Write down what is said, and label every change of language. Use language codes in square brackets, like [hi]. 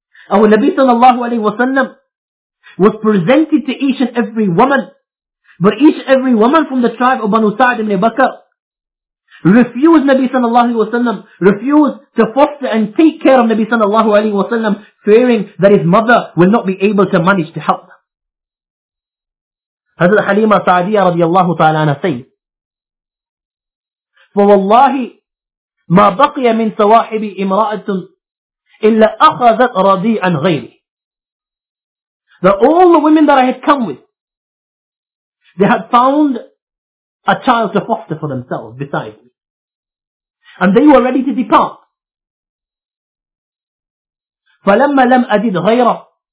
[en] Our Nabi sallallahu alayhi wa sallam was presented to each and every woman, but each and every woman from the tribe of Banu Sa'd ibn Bakr refused Nabi sallallahu alayhi wa sallam, refused to foster and take care of Nabi sallallahu alayhi wa sallam, fearing that his mother will not be able to manage to help them. Hazrat Halima Sa'diyah radiallahu ta'ala anha says, [ar] فَوَاللَّهِ مَا بَقِيَ مِن صَوَاحِبِ إِمْرَأَةٌ إِلَّا أَخَذَتْ رَضِيعًا غَيْرِي. [en] That all the women that I had come with, they had found a child to foster for themselves beside me. And they were ready to depart. [ar] فَلَمَّا لَمْ أَجِدْ غَيْرَهُ.